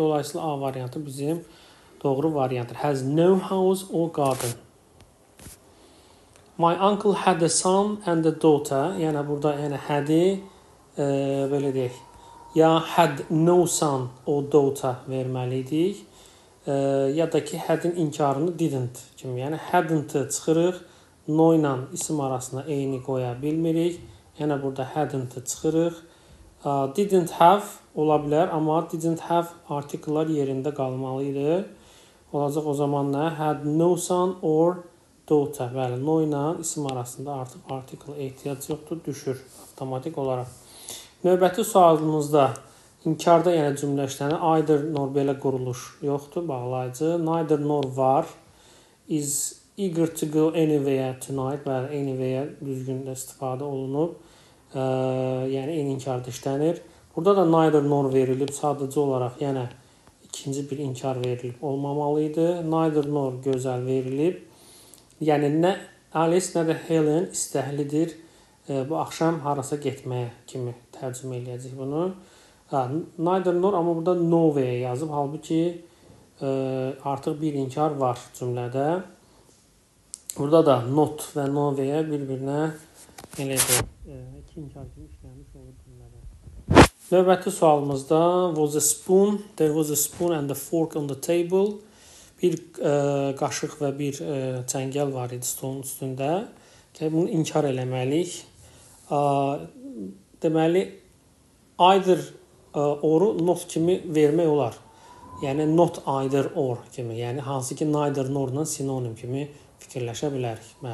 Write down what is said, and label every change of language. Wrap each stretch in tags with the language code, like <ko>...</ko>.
<az>Dolayısıyla A variantı bizim doğru variantdır.</az> <en>Has no house or garden. My uncle had a son and a daughter.</en> <az>Yəni, burada yəni, had-i, belə deyək, ya</az> <en>had no son or daughter</en> <az>verməliydik. Ya da ki, had-in inkarını didn't kimi. Yəni, hadn't-ı çıxırıq, no ilə isim arasında eyni qoya bilmirik. Yəni, burada hadn't-ı çıxırıq. Didn't have ola bilər, amma didn't have artikllar yerində qalmalı idi. Olacaq o zaman nə?</az> <en>Had no son or daughter.</en> <az>Bəli, no ilə isim arasında artıq artikl ehtiyac yoxdur, düşür avtomatik olaraq. Növbəti sualımızda İnkarda yəni cümlə işlənir. Either nor belə quruluş yoxdur, bağlayıcı. Neither nor var.</az> <en>Is eager to go anywhere tonight.</en> <az>Bəli, anywhere düzgün istifadə olunub. Yəni, en inkarda işlənir. Burada da neither nor verilib. Sadəcə olaraq, yəni, ikinci bir inkar verilib olmamalıydı. Neither nor gözəl verilib. Yəni, nə Alice, nə də Helen istəhlidir. Bu axşam harasa getməyə kimi tərcümə eləyəcək bunu. Neither nor, amma burada no way yazıb. Halbuki artıq bir inkar var cümlədə. Burada da not və no way bir-birinə elə edir. İki inkar kimi işləmiş olur cümlədə. Növbəti sualımızda</az> <en>was a spoon. There was a spoon and a fork on the table.</en> <az>Bir qaşıq və bir çəngəl var idi stolun üstündə. Bunu inkar eləməliyik. Deməli, either or-u not kimi vermək olar. Yəni, not either or kimi. Yəni, hansı ki, neither nor-la sinonim kimi fikirləşə bilərik.</az>